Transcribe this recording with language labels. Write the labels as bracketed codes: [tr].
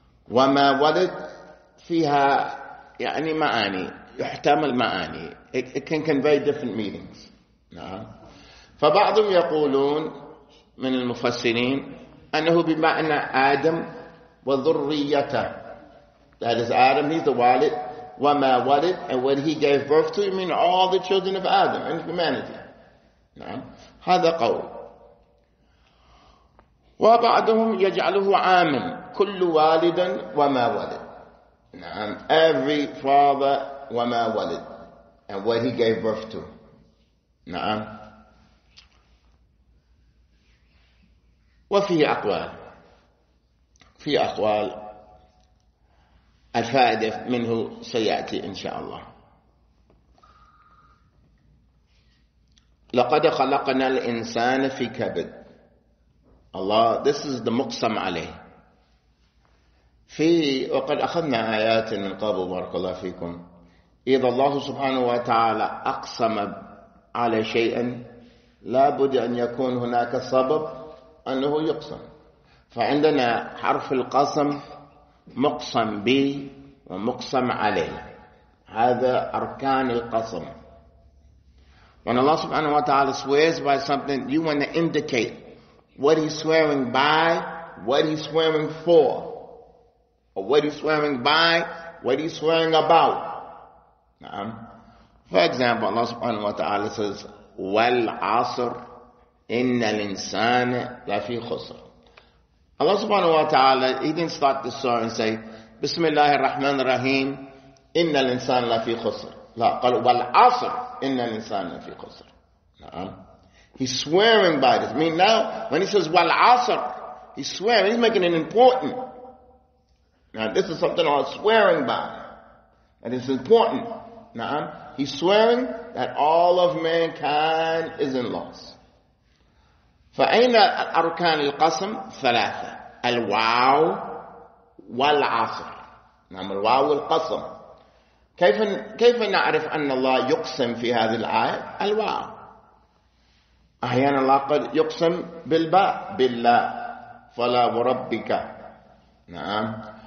[ar] وما ولد فيها يعني معاني يحتمل معاني. [en] It can convey different meanings. [ar] نعم. فبعضهم يقولون من المفسرين أنه بمعنى آدم وذريته. [en] That is Adam, he's the والد. [ar] وما ولد, [en] and when he gave birth to, you mean all the children of Adam and humanity. [ar] نعم. هذا قول. وبعضهم يجعله عاما كل والد وما ولد. نعم. [en] Every father [ar] وما ولد [en] and what he gave birth to. [ar] نعم. وفيه أقوال. في أقوال الفائدة منه سيأتي إن شاء الله. لقد خلقنا الإنسان في كبد. الله, [en] this is the [ar] مقسم عليه. في وقد أخذنا آيات من قبل بارك الله فيكم. إذا الله سبحانه وتعالى أقسم على شيء لا بد أن يكون هناك سبب أنه يقسم. فعندنا حرف القسم مقسم به ومقسم عليه. هذا أركان القسم. [en] When Allah [ar] سبحانه وتعالى [en] swears by something, you want to indicate what he's swearing by, what he's swearing for, or what he's swearing by, what he's swearing about. [ar] نعم. [en] For example, Allah [ar] سبحانه وتعالى [en] says, [ar] والعصر إن الإنسان لفي خسر. Allah سبحانه وتعالى, [en] he didn't start this surah and say, [ar] بسم الله الرحمن الرحيم إن الإنسان لفي خسر. لا, قال والعصر إن الإنسان لفي خسر. نعم. [en] He's swearing by this. I mean, now when he says والعصر, he's swearing, he's making it important. Now this is something I'm swearing by, and it's important. [ar] نعم. [en] He's swearing that all of mankind is in loss. [ar] فأين أركان القسم؟ ثلاثة: الواو والعصر. نعم. الواو والقسم. كيف نعرف أن الله يقسم في هذه الآية؟ الواو. أحيانا الله قد يقسم بالباء, بالله فلا وربك. نعم.